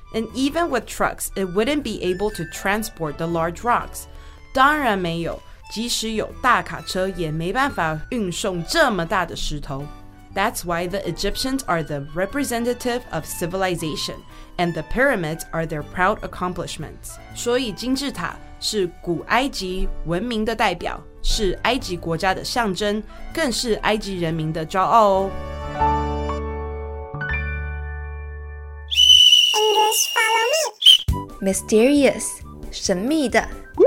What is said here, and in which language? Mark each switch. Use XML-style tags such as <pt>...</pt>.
<en>And even with trucks, it wouldn't be able to transport the large rocks.</en> <zh>当然没有，即使有大卡车也没办法运送这么大的石头。</zh> <en>That's why the Egyptians are the representative of civilization, and the pyramids are their proud accomplishments.</en> <zh>所以金字塔是古埃及文明的代表，是埃及国家的象征，更是埃及人民的骄傲哦。</zh> <en>English follow me. Mysterious, 神秘的。</en>